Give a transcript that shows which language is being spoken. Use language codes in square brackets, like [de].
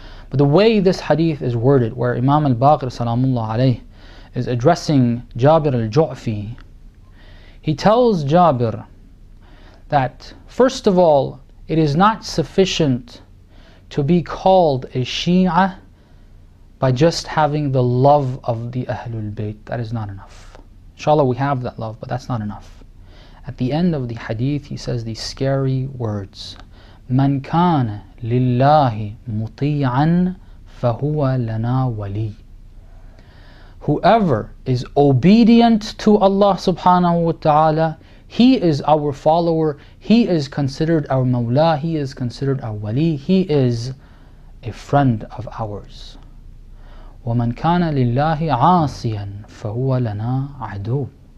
[en] But the way this hadith is worded, where Imam al-Baqir salamullah alayh is addressing Jabir al-Ju'fi, he tells Jabir that, first of all, it is not sufficient to be called a Shia by just having the love of the Ahlul Bayt. That is not enough. Inshallah, we have that love, but that's not enough. At the end of the hadith, he says these scary words, [ar] من كان لله مطيعا فهو لنا ولي. [en] Whoever is obedient to Allah subhanahu wa ta'ala, he is our follower, he is considered our mawla, he is considered our wali, he is a friend of ours. [ar] وَمَنْ كَانَ لِلَّهِ عَاصِيًا فَهُوَ لَنَا عَدُوٌ.